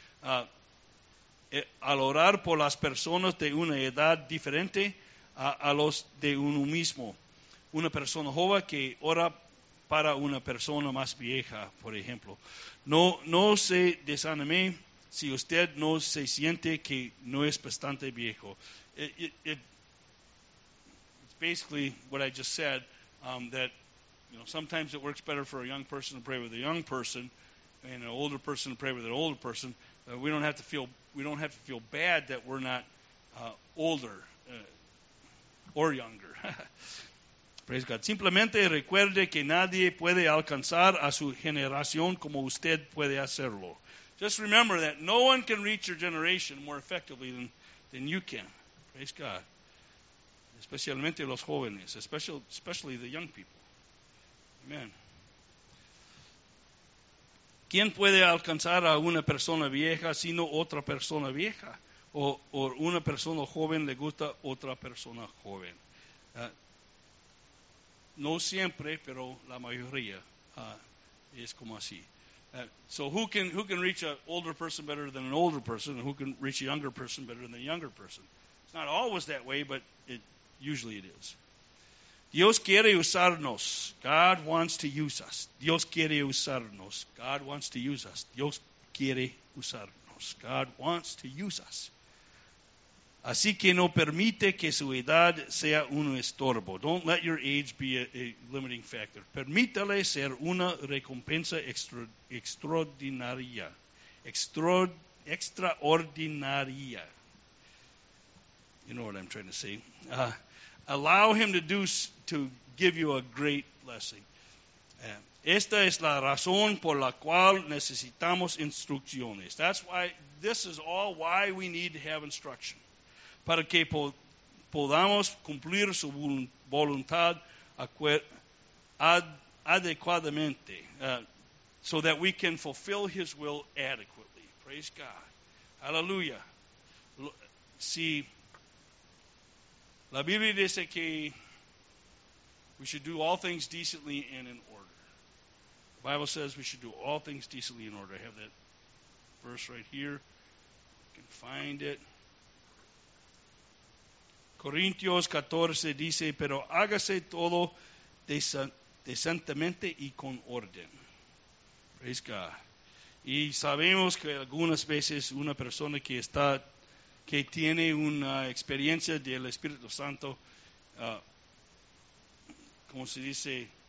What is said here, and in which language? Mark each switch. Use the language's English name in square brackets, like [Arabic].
[Spanish] Al orar por las personas de una edad diferente a los de uno mismo. Una persona joven que ora para una persona más vieja, por ejemplo. No se desanime si usted no se siente que no es bastante viejo. [English] It's basically what I just said, that you know, sometimes it works better for a young person to pray with a young person and an older person to pray with an older person. We don't have to feel bad that we're not older or younger. Praise God. [Spanish] Simplemente recuerde que nadie puede alcanzar a su generación como usted puede hacerlo. [English] Just remember that no one can reach your generation more effectively than you can. Praise God. [Spanish] Especialmente los jóvenes, [English] especially the young people. Amen. [Spanish] ¿Quién puede alcanzar a una persona vieja sino otra persona vieja? ¿O una persona joven le gusta otra persona joven? No siempre, pero la mayoría es como así. [English] So who can reach an older person better than an older person, and who can reach a younger person better than a younger person? It's not always that way, but usually it is. [Spanish] Dios quiere usarnos. [English] God wants to use us. [Spanish] Dios quiere usarnos. [English] God wants to use us. [Spanish] Dios quiere usarnos. [English] God wants to use us. [Spanish] Así que no permite que su edad sea un estorbo. [English] Don't let your age be a limiting factor. [Spanish] Permítale ser una recompensa extraordinaria. [English] Extraordinaria. You know what I'm trying to say. Allow him to give you a great blessing. [Spanish] Esta es la razón por la cual necesitamos instrucciones. [English] This is all why we need to have instruction. [Spanish] Para que podamos cumplir su voluntad adecuadamente. [English] So that we can fulfill his will adequately. Praise God. Hallelujah. [Spanish] La Biblia dice que [English] we should do all things decently and in order. The Bible says we should do all things decently in order. I have that verse right here. You can find it. [Spanish] Corintios 14 dice, pero hágase todo decentemente y con orden. [English] Praise God. [Spanish] Y sabemos que algunas veces una persona que está que tiene una experiencia del Espíritu Santo, ¿cómo se dice?